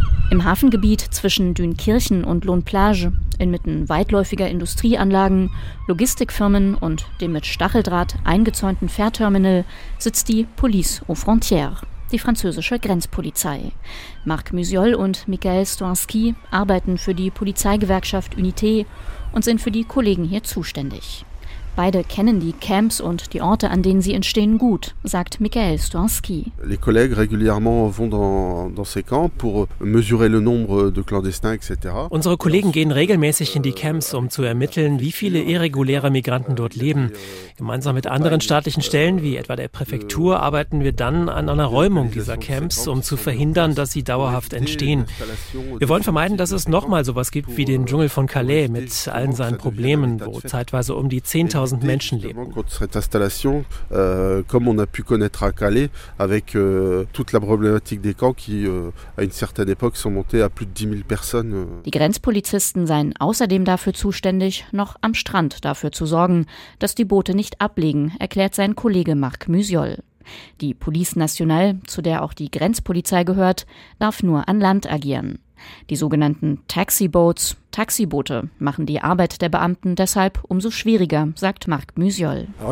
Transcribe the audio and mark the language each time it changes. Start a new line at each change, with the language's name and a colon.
German: Im Hafengebiet zwischen Dünkirchen und Lohnplage, inmitten weitläufiger Industrieanlagen, Logistikfirmen und dem mit Stacheldraht eingezäunten Fährterminal, sitzt die Police aux Frontières. Die französische Grenzpolizei. Marc Musiol und Michael Stoinski arbeiten für die Polizeigewerkschaft Unité und sind für die Kollegen hier zuständig. Beide kennen die Camps und die Orte, an denen sie entstehen, gut, sagt Michael Stoinski.
French: Les collègues régulièrement vont dans ces camps pour mesurer le nombre de clandestins etc.
German: Unsere Kollegen gehen regelmäßig in die Camps, um zu ermitteln, wie viele irreguläre Migranten dort leben. Gemeinsam mit anderen staatlichen Stellen, wie etwa der Präfektur, arbeiten wir dann an einer Räumung dieser Camps, um zu verhindern, dass sie dauerhaft entstehen. Wir wollen vermeiden, dass es nochmal sowas gibt wie den Dschungel von Calais mit allen seinen Problemen, wo zeitweise um die 10.000 Menschen leben.
French: Cette installation, comme on a pu connaître à Calais, avec toute la problématique des camps qui, à une certaine époque, sont montés à plus de 10.000 personnes.
German: Die Grenzpolizisten seien außerdem dafür zuständig, noch am Strand dafür zu sorgen, dass die Boote nicht ablegen, erklärt sein Kollege Marc Musiol. Die Police Nationale, zu der auch die Grenzpolizei gehört, darf nur an Land agieren. Die sogenannten Taxiboats, Taxiboote, machen die Arbeit der Beamten deshalb umso schwieriger, sagt Marc Musiol.